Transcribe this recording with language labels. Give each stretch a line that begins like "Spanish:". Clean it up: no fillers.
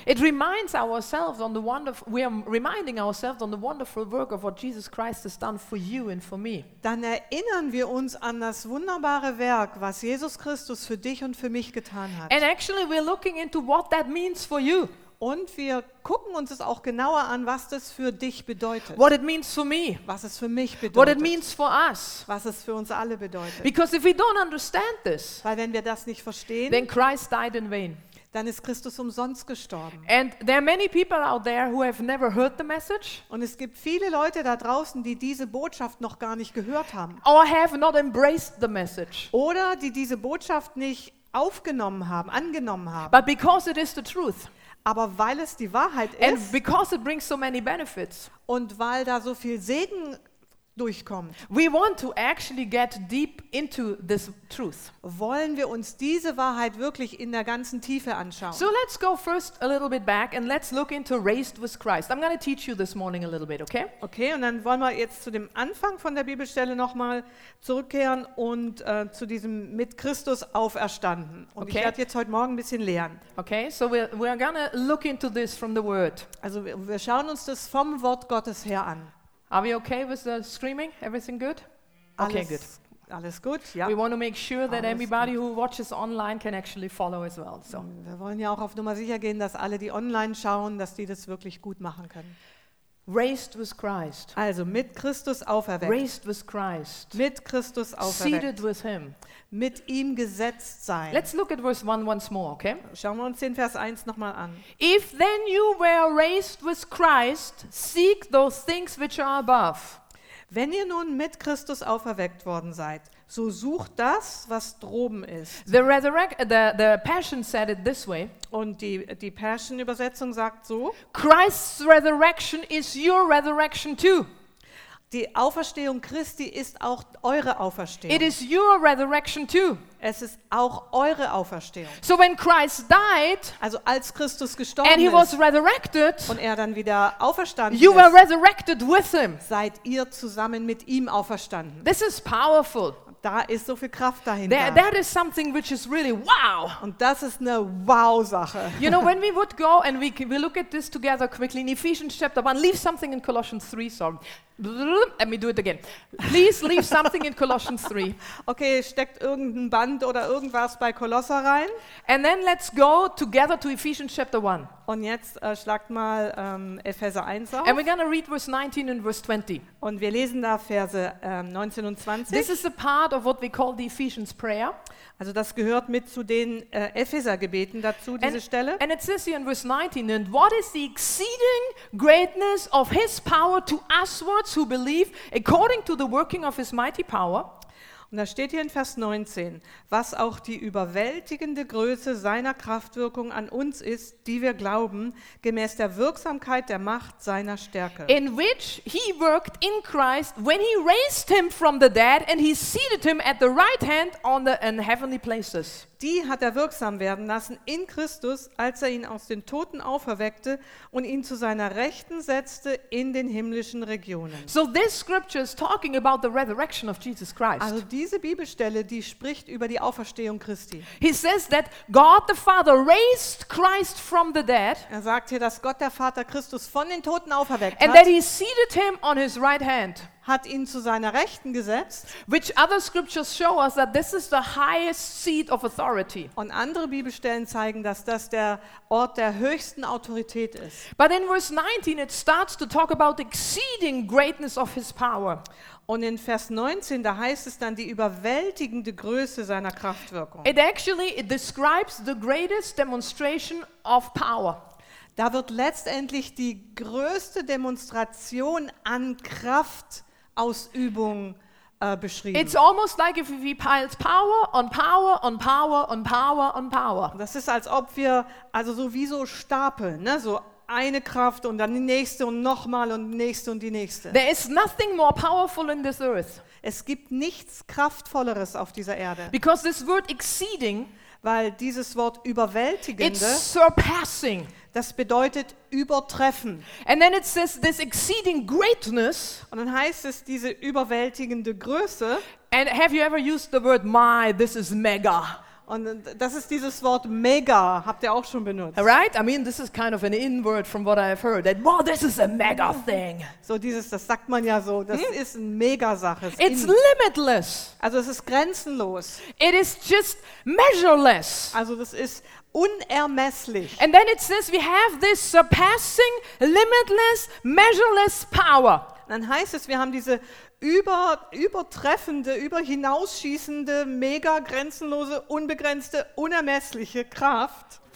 English: it reminds ourselves on the wonderful, we are reminding ourselves on the wonderful work of what Jesus Christ has done for you and for me.
German: Dann erinnern wir uns an das wunderbare Werk, was Jesus Christus für dich und für mich getan hat.
English: And actually we're looking into what that means for you.
German: Und wir gucken uns es auch genauer an, was das für dich bedeutet.
English: What it means for me.
German: Was es für mich bedeutet.
English: What it means for us.
German: Was es für uns alle bedeutet.
English: Because if we don't understand this,
German: weil wenn wir das nicht verstehen,
English: then Christ died in vain.
German: Dann ist Christus umsonst gestorben.
English: And there are many people out there who have never heard the message.
German: Und es gibt viele Leute da draußen, die diese Botschaft noch gar nicht gehört haben.
English: Or have not embraced the message.
German: Oder die diese Botschaft nicht aufgenommen haben, angenommen haben.
English: But because it is the truth.
German: Aber weil es die Wahrheit ist,
English: and because it brings so many benefits,
German: und weil da so viel Segen durchkommt,
English: we want to actually get deep into this truth.
German: Wollen wir uns diese Wahrheit wirklich in der ganzen Tiefe anschauen?
English: So let's go first a little bit back and let's look into raised with Christ. I'm going to teach you this morning a little bit, okay?
German: Okay, und dann wollen wir jetzt zu dem Anfang von der Bibelstelle nochmal zurückkehren und zu diesem mit Christus auferstanden. Und okay. Ich werde jetzt heute Morgen ein bisschen lehren.
English: Okay, so we're going to look into this from the Word.
German: Also wir schauen uns das vom Wort Gottes her an.
English: Are we okay with the screaming? Everything good?
German: Okay, alles,
English: good.
German: Alles gut, ja.
English: We want to make sure that
German: alles
English: everybody
German: gut.
English: Who watches online can actually follow as well. So.
German: Wir wollen ja auch auf Nummer sicher gehen, dass alle, die online schauen, dass die das wirklich gut machen können.
English: Raised with Christ.
German: Also mit Christus auferweckt.
English: Raised with Christ.
German: Mit Christus auferweckt.
English: Seated with him.
German: Mit ihm gesetzt sein.
English: Let's look at verse 1 once more, okay?
German: Schauen wir uns den Vers 1 nochmal an.
English: If then you were raised with Christ, seek those things which are above.
German: Wenn ihr nun mit Christus auferweckt worden seid, so sucht das, was droben ist.
English: The Passion said it this way.
German: Und die Passion-Übersetzung sagt so.
English: Christ's resurrection is your resurrection too.
German: Die Auferstehung Christi ist auch eure Auferstehung.
English: It is your resurrection too.
German: Es ist auch eure Auferstehung.
English: So when Christ died,
German: also als Christus gestorben
English: and he
German: ist
English: was resurrected,
German: und er dann wieder auferstanden
English: you
German: ist,
English: were resurrected with him.
German: Seid ihr zusammen mit ihm auferstanden.
English: This is powerful.
German: Da ist so viel Kraft dahinter.
English: That is something which is really wow.
German: Und das ist eine Wow-Sache.
English: You know, when we would go and we look at this together quickly in Ephesians chapter 1, leave something in Colossians 3, sorry. Let me do it again. Please leave something in Colossians 3.
German: Okay, steckt irgendein Band oder irgendwas bei Kolosser rein.
English: And then let's go together to Ephesians chapter 1.
German: Und jetzt schlagt mal Epheser 1 auf.
English: And we're going to read verse 19 and verse 20.
German: Und wir lesen da Verse 19 und 20.
English: This is a part of what we call the Ephesians prayer.
German: Also das gehört mit zu den Epheser-Gebeten dazu, diese Stelle.
English: And it says here in verse 19, and what is the exceeding greatness of his power to us who believe according to the working of his mighty power.
German: Und da steht hier in Vers 19, was auch die überwältigende Größe seiner Kraftwirkung an uns ist, die wir glauben, gemäß der Wirksamkeit der Macht seiner Stärke.
English: In which he worked in Christ when he raised him from the dead and he seated him at the right hand on the in heavenly places.
German: Die hat er wirksam werden lassen in Christus, als er ihn aus den Toten auferweckte und ihn zu seiner Rechten setzte in den himmlischen Regionen.
English: So this scripture is talking about the resurrection of Jesus Christ.
German: Also diese Bibelstelle, die spricht über die Auferstehung Christi.
English: He says that God the Father raised Christ from the dead.
German: Er sagt hier, dass Gott der Vater Christus von den Toten auferweckt
English: and
German: hat.
English: And that he seated him on his right hand.
German: Hat ihn zu seiner Rechten gesetzt.
English: Which other scriptures show us that this is the highest seat of authority.
German: Und andere Bibelstellen zeigen, dass das der Ort der höchsten Autorität ist.
English: But in verse 19 it starts to talk about exceeding greatness of his power.
German: Und in Vers 19, da heißt es dann die überwältigende Größe seiner Kraftwirkung.
English: It actually it describes the greatest demonstration of power.
German: Da wird letztendlich die größte Demonstration an Kraftausübung beschrieben.
English: It's almost like if we piled power on power on power on power on power.
German: Das ist, als ob wir, also so wie so Stapel, ne, so eine Kraft und dann die nächste und nochmal und die nächste und die nächste.
English: There is nothing more powerful in this earth.
German: Es gibt nichts Kraftvolleres auf dieser Erde.
English: Because this word exceeding,
German: weil dieses Wort überwältigende,
English: it's surpassing.
German: Das bedeutet übertreffen.
English: And then it says this exceeding greatness.
German: Und dann heißt es diese überwältigende Größe.
English: And have you ever used the word my, this is mega?
German: Und das ist dieses Wort mega, habt ihr auch schon benutzt.
English: Right? I mean, this is kind of an in-word from what I've heard. That, wow, this is a mega thing.
German: So dieses, das sagt man ja so, das ist eine Mega-Sache.
English: It's limitless.
German: Also es ist grenzenlos.
English: It is just measureless.
German: Also das ist unermesslich.
English: And then it says we have this surpassing, limitless, measureless power.
German: Dann heißt es, wir haben diese übertreffende, überhinausschießende, mega grenzenlose, unbegrenzte, unermessliche Kraft.